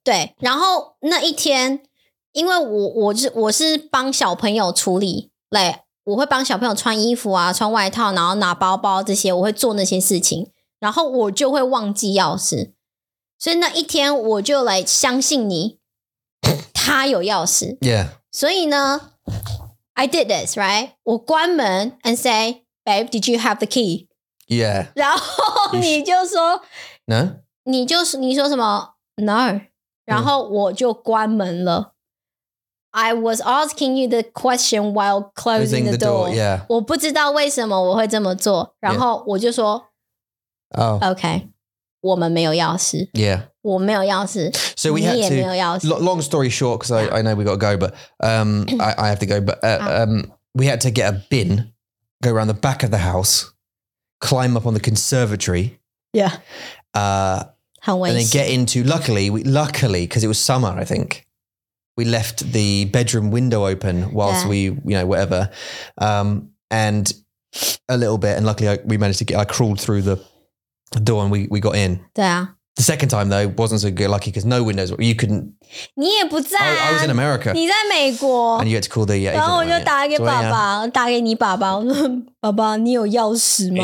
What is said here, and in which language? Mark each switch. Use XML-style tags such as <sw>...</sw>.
<zh>对,然后那一天, 因为我是帮小朋友处理, like, 我会帮小朋友穿衣服啊, 穿外套, 然后拿包包这些, 我会做那些事情, 然后我就会忘记钥匙。所以那一天我就来相信你, 他有钥匙。</zh> <en>Yeah.</en> <zh>所以呢,</zh> <en>I did this, right?</en> <zh>我关门</zh> <en>and say, babe, did you have the key? Yeah.</en> <zh>然后你就说,</zh> <en>no?</en> <zh>你说什么?No. 然后我就关门了.</zh> <en>I was asking you the question while closing the door. Yeah.</en> <zh>我不知道为什么我会这么做. 然后我就说,</zh> <en>oh.</en> <zh>Okay. 我们没有钥匙.</zh> <en>Yeah.</en> <zh>我没有钥匙.</zh> <en>So we had to, long story short, because I know we got to go, but I have to go, but we had to get a bin, go around the back of the house, climb up on the conservatory. Yeah. And then get into, luckily, because it was summer, I think, we left the bedroom window open whilst we, you know, whatever, and a little bit, and luckily I crawled through the door and we got in. Yeah. The second time though wasn't so good lucky because no windows you couldn't.</en> <zh>你也不在啊,</zh> <en>I was in America.</en> <zh>你在美国,</zh> <en>and you had to call the agent.</en> <zh>然后我就打给爸爸, 打给你爸爸, 爸爸, 你有钥匙吗?</zh>